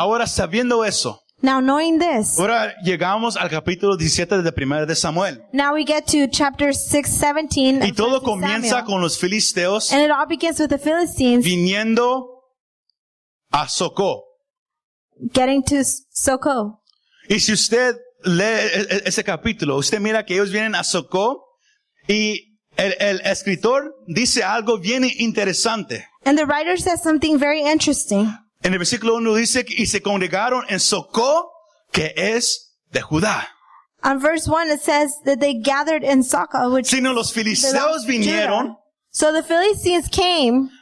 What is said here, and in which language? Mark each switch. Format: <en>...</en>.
<es>Ahora, sabiendo eso,</es> <en>now knowing this,</en> <es>ahora llegamos al capítulo 17 de Primera de Samuel.</es> <en>Now we get to chapter 6:17.</en> <es>Y todo comienza</es> <en>Samuel.</en> <es>Con los filisteos.</es> <en>And it all begins with the Philistines</en> <es>viniendo a Socó.</es> <en>Getting to Socó.</en> <es>Y si usted lee ese capítulo, usted mira que ellos vienen a Socó y El escritor dice algo bien interesante.</es> <en>And the writer says something very interesting.</en> <es>En el versículo 1 dice, y se congregaron en Socó, que es de Judá.</es> <en>On verse 1 it says that they gathered in Socó, which</en> <es>sino los filisteos vinieron.</es> <en>So the Philistines came</en>